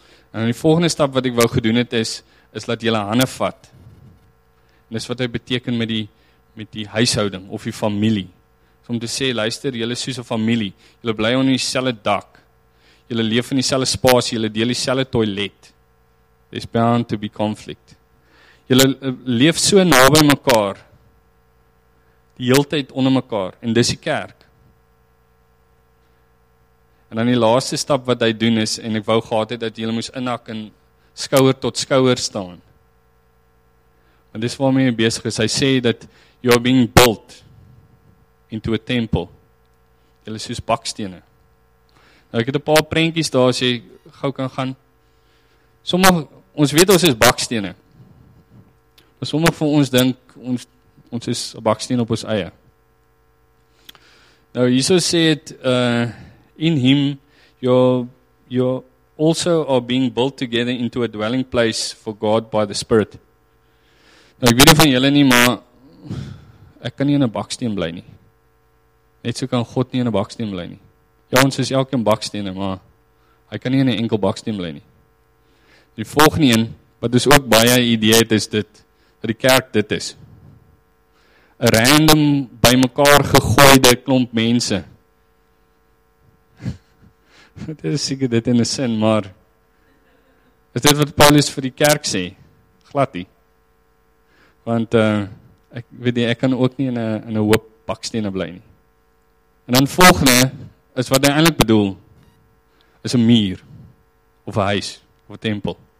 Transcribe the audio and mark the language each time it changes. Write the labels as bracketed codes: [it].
[af] En die volgende stap wat ek wou gedoen het is dat julle hande vat. En dis wat hy beteken met die huishouding, of die familie. Is om te sê, luister, julle is soos een familie, julle bly onder dieselfde dak, julle leef in dieselfde spasie, julle deel dieselfde toilet. [en] There's bound to be conflict. [af] Julle leef so naby mekaar, die heeltyd onder mekaar, en dis die kerk. En dan die laaste stap wat hy doen is, en ek wou gehad het, dat julle moes inhak en skouer tot skouer staan. En dis waarmee hy besig is. Hy sê dat [en] you are being built into a temple. [af] Julle soos bakstene. Nou ek het 'n paar prentjies daar, as jy gauw kan gaan. Ons weet ons is bakstene. Maar sommige van ons dink, ons is een baksteen op ons eie. Nou, Jesus sê het, [en] in him, you also are being built together into a dwelling place for God by the Spirit. [af] Nou, ek weet nie van julle nie, maar ek kan nie in een baksteen bly nie. Net so kan God nie in een baksteen bly nie. Ja, ons is elke in bakstene, maar hy kan nie in een enkel baksteen bly nie. Die volgende een, wat is ook baie idee het, is dit, dat die kerk dit is. Een random, by mekaar gegooide klomp mense. Het is seker dit in die sin, maar is dit wat Paulus vir die kerk sê? Glattie. Want, ek weet nie, ek kan ook nie in een hoop bakstene bly nie. En dan volgende, is wat hy eintlik bedoel, is een muur, of een huis, of een tempel.